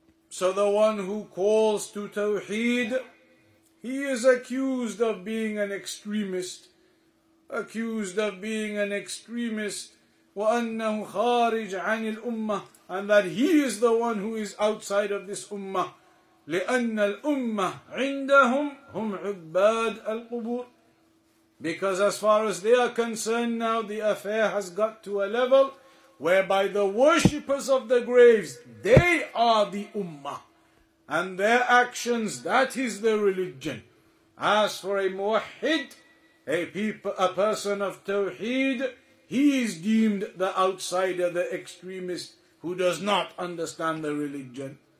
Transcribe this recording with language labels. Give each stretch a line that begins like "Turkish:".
English: So the one who calls to tawheed, he is accused of being an extremist. Accused of being an extremist.
Arabic: وأنه خارج عن الأمة.
English: And that he is the one who is outside of this ummah.
Arabic: لأن الأمة عندهم هم عباد القبور.
English: Because as far as they are concerned now, the affair has got to a level whereby the worshippers of the graves, they are the ummah. And their actions, that is the religion. As for a muwahhid, a person of tawheed, he is deemed the outsider, the extremist, who does not understand the religion.